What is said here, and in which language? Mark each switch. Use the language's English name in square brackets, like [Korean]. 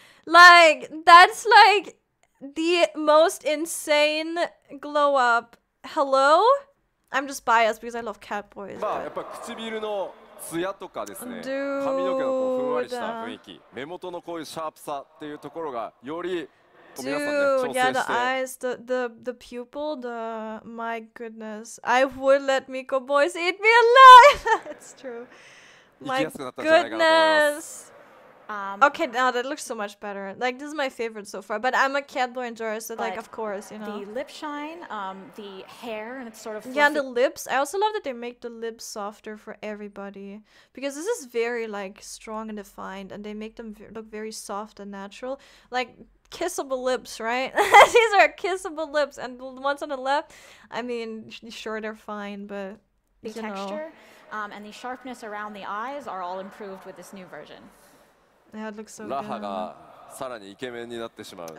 [English] Like, that's like the most insane glow up. Hello? I'm just biased because I love cat boys. [Japanese] まあ、やっぱ唇のツヤとかですね、髪の毛のこうふんわりした雰囲気、目元のこういうシャープさっていうところがより [English] Dude, yeah, the eyes, the pupil, the my goodness. I would let Miko boys eat me alive. That's true. My goodness. Okay, now that looks so much better. Like, this is my favorite so far, but I'm a catboy enjoyer, so, like, of course, you know. The lip shine, the hair, and it's sort of fluffy. Yeah, and the lips. I also love that they make the lips softer for everybody. Because this is very, like, strong and defined, and they make them look very soft and natural. Like, kissable lips, right? These are kissable lips, and the ones on the left, I mean, sure, they're fine, but, the you know. The texture and the sharpness around the eyes are all improved with this new version. Yeah, it looks so Raha good. [Japanese] がさらにイケメンになってしまう。